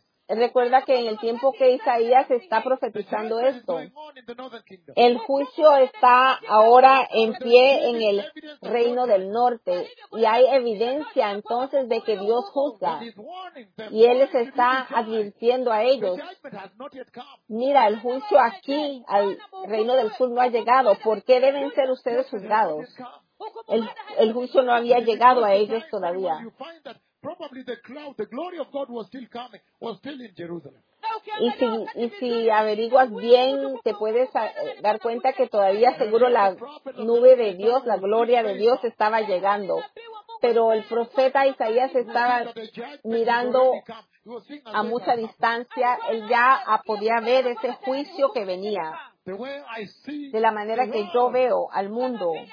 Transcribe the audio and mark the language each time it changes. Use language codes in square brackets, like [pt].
[es] Recuerda que en el tiempo que Isaías está profetizando esto, el juicio está ahora en pie en el reino del norte y hay evidencia entonces de que Dios juzga y Él les está advirtiendo a ellos. Mira, el juicio aquí al reino del sur no ha llegado. ¿Por qué deben ser ustedes juzgados? El juicio no había llegado a ellos todavía. [en] Probably the cloud, the glory of God was still coming, was still in Jerusalem. [es] Y si averiguas bien, te puedes dar cuenta que todavía seguro la nube de Dios, la gloria de Dios estaba llegando. Pero el profeta Isaías estaba mirando a mucha distancia. Él ya podía ver ese juicio que venía. De la manera que yo veo al mundo.